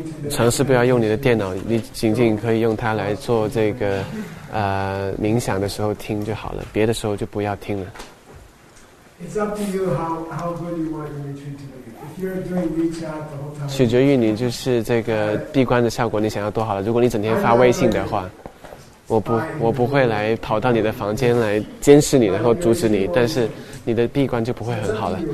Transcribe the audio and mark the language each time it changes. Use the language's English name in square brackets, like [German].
[Chinese] 尝试不要用你的电脑，你仅仅可以用它来做这个冥想的时候听就好了，别的时候就不要听了。 [English] It's up to you how good you want your retreat to be. If you're doing WeChat the whole time, [Chinese] 取决于你就是这个闭关的效果你想要多好了。如果你整天发微信的话，我不会来跑到你的房间来监视你，然后阻止你，但是你的闭关就不会很好了。